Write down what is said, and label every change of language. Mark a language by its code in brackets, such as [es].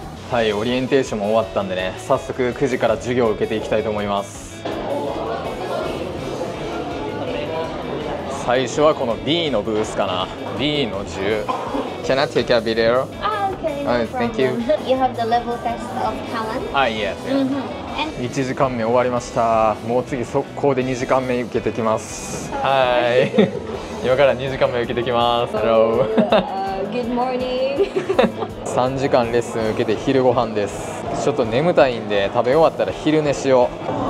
[ja] はい、オリエンテーションも終わったんでね、早速9時から授業を受けていきたいと思います。最初はこの D のブースかな。 D の10。 [en] Can I take a video? Ah, okay, no problem. Thank you. You have the level test of talent? Ah, yes, yes. Mm-hmm. [ja] 1時間目終わりました。もう次速攻で2時間目受けてきます。はい、今から2時間目受けてきます。 [en] Hello. Good morning. [ja] 3時間レッスン受けて昼ご飯です。ちょっと眠たいんで、食べ終わったら昼寝しよう。